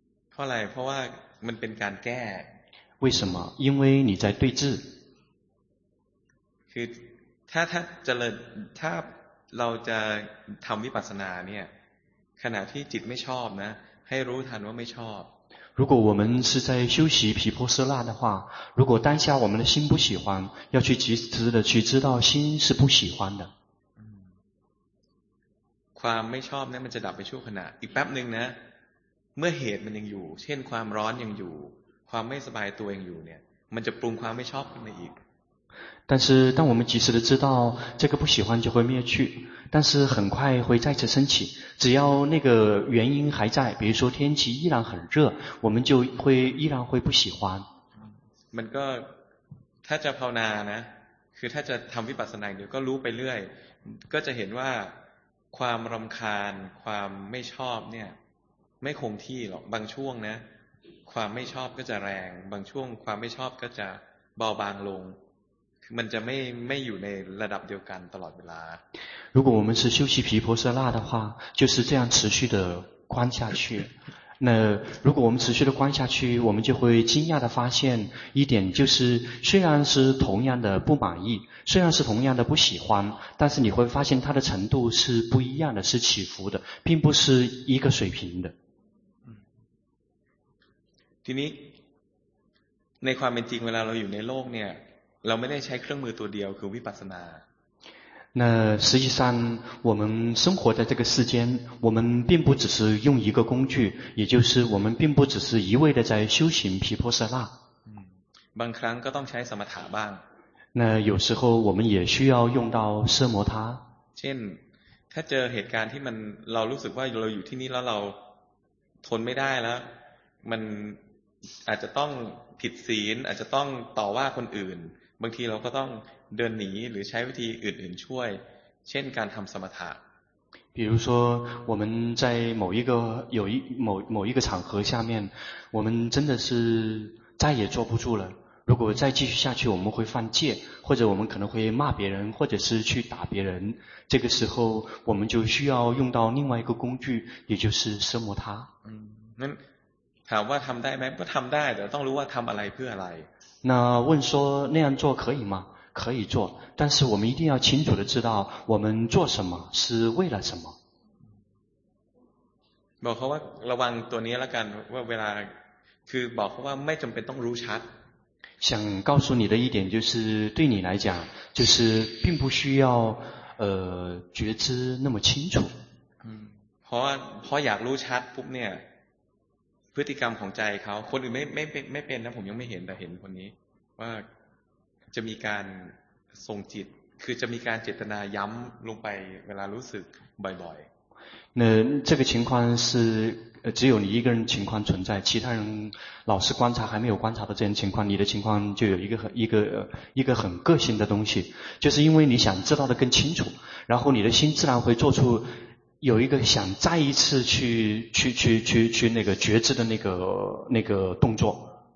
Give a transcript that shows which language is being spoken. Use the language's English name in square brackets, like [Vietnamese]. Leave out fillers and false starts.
[Thai] เพราะอะไรเพราะว่ามันเป็นการแก้ [Chinese] 为什么因为你在对峙 [Thai] คือถ้าเจริญถ้า เราจะทำวิปัสสนาเนี่ยขณะที่จิตไม่ชอบนะให้รู้ทันว่าไม่ชอบ [Chinese] 如果我们是在修习毗婆舍那的话，如果当下我们的心不喜欢，要去及时的去知道心是不喜欢的。 [Thai] ความไม่ชอบนั้นมันจะดับไปชั่วขณะอีกแป๊บนึงนะเมื่อเหตุมันยังอยู่เช่นความร้อนยังอยู่ความไม่สบายตัวยังอยู่เนี่ยมันจะปรุงความไม่ชอบขึ้นมาอีก [Chinese] 但是当我们及时的知道这个不喜欢就会灭去，但是很快会再次升起。只要那个原因还在，比如说天气依然很热，我们就会依然会不喜欢。 [Thai] มันก็ถ้าจะภาวนานะคือถ้าจะทำวิปัสสนาเดี๋ยวก็รู้ไปเรื่อยก็จะเห็นว่าความรำคาญความไม่ชอบเนี่ยไม่คงที่หรอกบางช่วงนะความไม่ชอบก็จะแรงบางช่วงความไม่ชอบก็จะเบาบางลงมันจะไม่อยู่ในระดับเดียวกันตลอดเวลา [Chinese] 如果我们是修习毗婆舍那的话就是这样持续的观下去那如果我们持续的观下去我们就会惊讶的发现一点就是虽然是同样的不满意虽然是同样的不喜欢但是你会发现它的程度是不一样的是起伏的并不是一个水平的 [Thai] ทีนี้ในความเป็นจริงเวลาเราอยู่ในโลกเนี่ยเราไม่ได้ใช้เครื่องมือตัวเดียวคือวิปัสสนา [Chinese] 那实际上我们生活在这个世间我们并不只是用一个工具也就是我们并不只是一味的在修行毗婆舍那 [Thai] บางครั้งก็ต้องใช้สมถะบ้าง [Chinese] 那有时候我们也需要用到奢摩他 [Thai] เช่นถ้าเจอเหตุการณ์ที่มันเรารู้สึกว่าเราอยู่ที่นี่แล้วเราทนไม่ได้แล้วมันอาจจะต้องผิดศีลอาจจะต้องต่อว่าคนอื่นบางทีเราก็ต้องเดินหนีหรือใช้วิธีอื่นๆช่วยเช่นการทำสมถะ [Chinese] 比如说我们在某一个有一某某一个场合下面我们真的是再也坐不住了如果再继续下去我们会犯戒或者我们可能会骂别人或者是去打别人这个时候我们就需要用到另外一个工具也就是奢摩他 [Thai] ถามว่าทำได้ไหมก็ทำได้แต่ต้องรู้ว่าทำอะไรเพื่ออะไร [Chinese] 那问说那样做可以吗？可以做，但是我们一定要清楚的知道我们做什么是为了什么。 [Thai] บอกเขาว่าระวังตัวนี้แล้วกันว่าเวลาคือบอกเขาว่าไม่จำเป็นต้องรู้ชัด。 [Chinese] 想告诉你的一点就是，对你来讲，就是并不需要觉知那么清楚。 [Thai] เพราะอยากรู้ชัดปุ๊บเนี่ยพฤติกรรมของใจเขาคนอื่นไม่เป็นนะผมยังไม่เห็นแต่เห็นคนนี้ว่าจะมีการทรงจิตคือจะมีการเจตนาย้ำลงไปเวลารู้สึกบ่อย [Chinese] ๆ那这个情况是只有你一个人情况存在其他人老是观察还没有观察到这种情况你的情况就有一个很个性的东西就是因为你想知道的更清楚然后你的心自然会做出有一个想再一次去那个觉知的那个动作。